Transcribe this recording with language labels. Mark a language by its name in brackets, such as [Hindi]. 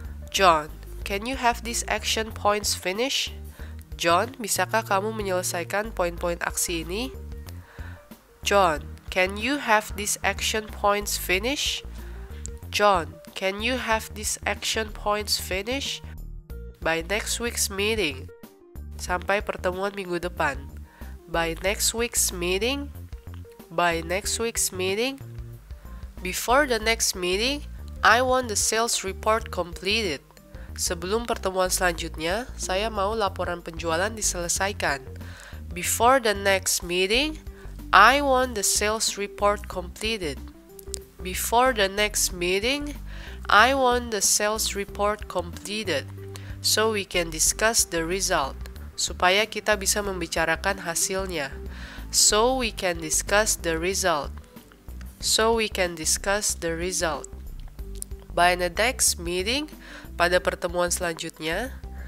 [English] John, can you have these action points finished? [Indonesian] John, bisakah kamu menyelesaikan poin-poin aksi ini? [English] John, can you have these action points finished? John, can you have these action points finished? By next week's meeting. [Indonesian] Sampai pertemuan minggu depan. [English] By next week's meeting. By next week's meeting. Before the next meeting, I want the sales report completed. [Indonesian] Sebelum pertemuan selanjutnya, saya mau laporan penjualan diselesaikan. [English] Before the next meeting, I want the sales report completed. Before the next meeting, I want the sales report completed. So we can discuss the result. [Indonesian] Supaya kita bisa membicarakan hasilnya. [English] So we can discuss the result. So we can discuss the result. By the next meeting, [Indonesian] pada pertemuan selanjutnya.